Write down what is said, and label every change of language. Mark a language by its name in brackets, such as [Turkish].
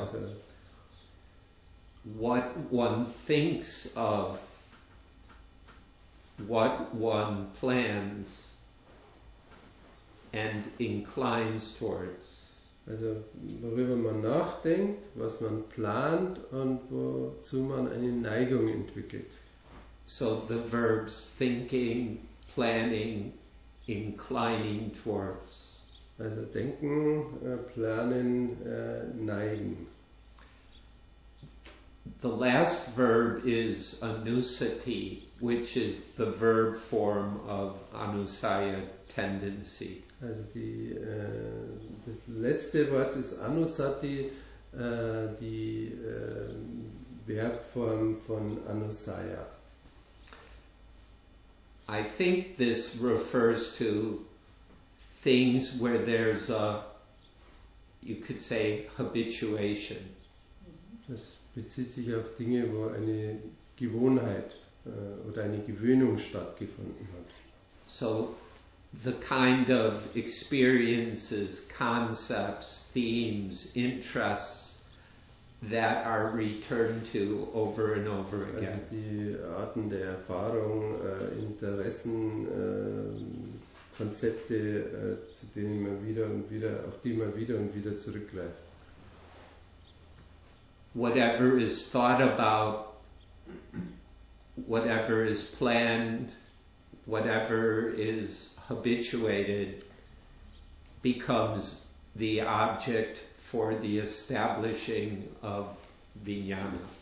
[English] Also, what one thinks of, what one plans and inclines towards. [German] Also worüber man nachdenkt, was man plant und wozu man eine Neigung entwickelt. [English] So the verbs thinking, planning, inclining towards. [German] Also denken, planen, neigen. [English] The last verb is anusati, which is the verb form of anusaya, tendency. [German] Also die, das letzte Wort ist anusati, die Verbform von anusaya. [English] I think this refers to things where there's a, you could say, habituation. [German] Das bezieht sich auf Dinge, wo eine Gewohnheit oder eine Gewöhnung stattgefunden hat. [English] So, the kind of experiences, concepts, themes, interests that are returned to over and over again. [German] Also die Arten der Erfahrung, Interessen, Konzepte, zu denen man wieder und wieder, auf die man wieder und wieder zurückgreift. [English] Whatever is thought about, whatever is planned, whatever is habituated becomes the object for the establishing of vijnana.